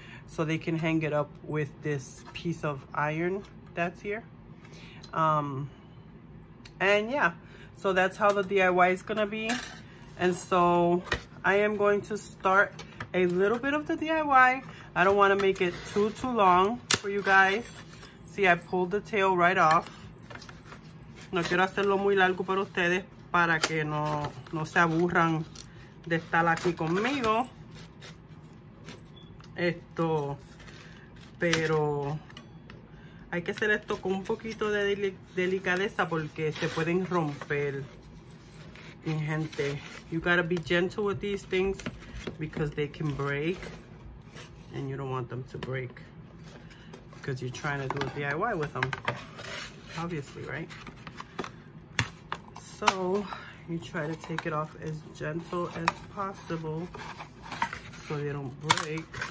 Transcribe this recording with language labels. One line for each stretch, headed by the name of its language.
English: so they can hang it up with this piece of iron that's here. And yeah, so that's how the DIY is gonna be. And so I am going to start a little bit of the DIY. I don't want to make it too long for you guys. See, I pulled the tail right off.
Spanish: No quiero hacerlo muy largo para ustedes para que no se aburran de estar aquí conmigo. Esto, pero hay que hacer esto con un poquito de delicadeza porque se pueden romper. Mi gente,
English: you gotta be gentle with these things because they can break and you don't want them to break because you're trying to do a DIY with them, obviously, right? So you try to take it off as gentle as possible so they don't break.